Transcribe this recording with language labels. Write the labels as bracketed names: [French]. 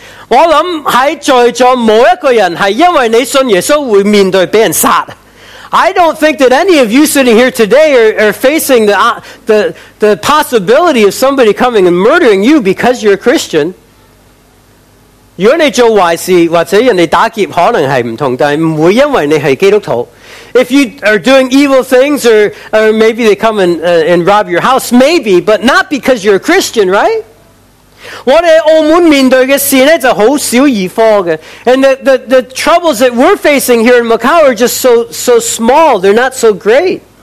[Chinese] 我想在座没有一个人是因为你信耶稣会面对被人杀。I [English] don't think that any of you sitting here today are facing the possibility of somebody coming and murdering you because you're a Christian. [Chinese] 如果你做坏事或者人家打劫可能是不同，但不会因为你是基督徒。 [English] If you are doing evil things or maybe they come and rob your house, maybe, but not because you're a Christian, right? [Chinese] 我们在澳门面对的事就很少而科的 [English] And the troubles that we're facing here in Macau are just so small, they're not so great.